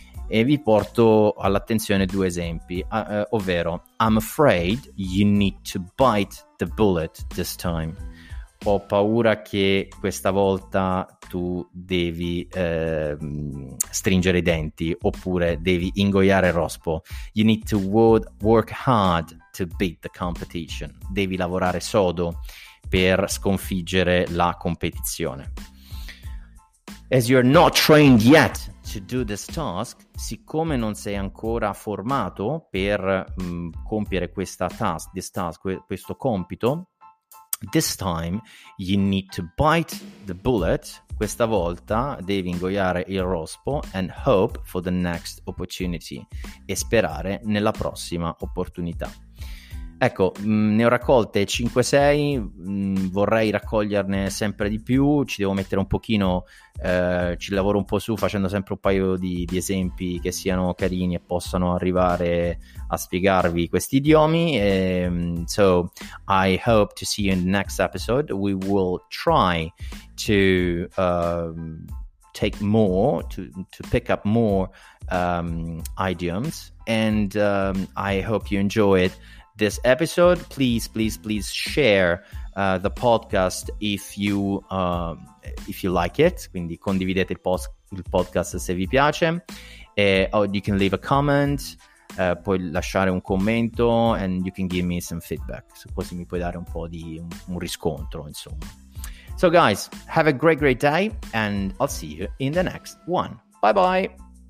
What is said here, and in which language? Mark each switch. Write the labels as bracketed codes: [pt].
[it] E vi porto all'attenzione due esempi, ovvero [en] I'm afraid you need to bite the bullet this time. [it] Ho paura che questa volta tu devi stringere i denti, oppure devi ingoiare il rospo. [en] You need to work hard to beat the competition. [it] Devi lavorare sodo per sconfiggere la competizione. [en] As you're not trained yet to do this task, [it] siccome non sei ancora formato per compiere questo compito, [en] this time you need to bite the bullet, [it] questa volta devi ingoiare il rospo, [en] and hope for the next opportunity, [it] e sperare nella prossima opportunità. Ecco, ne ho raccolte 5-6, vorrei raccoglierne sempre di più, ci devo mettere un pochino, ci lavoro un po' su facendo sempre un paio di esempi che siano carini e possano arrivare a spiegarvi questi idiomi. [en] So I hope to see you in the next episode. We will try to take more, to pick up more idioms, and I hope you enjoy it. This episode, please share the podcast if you like it. [it] Quindi condividete il podcast se vi piace. [en] Or you can leave a comment, [it] puoi lasciare un commento, [en] and you can give me some feedback. [it] Così mi puoi dare un po' di un riscontro, insomma. [en] So guys, have a great day, and I'll see you in the next one. Bye bye.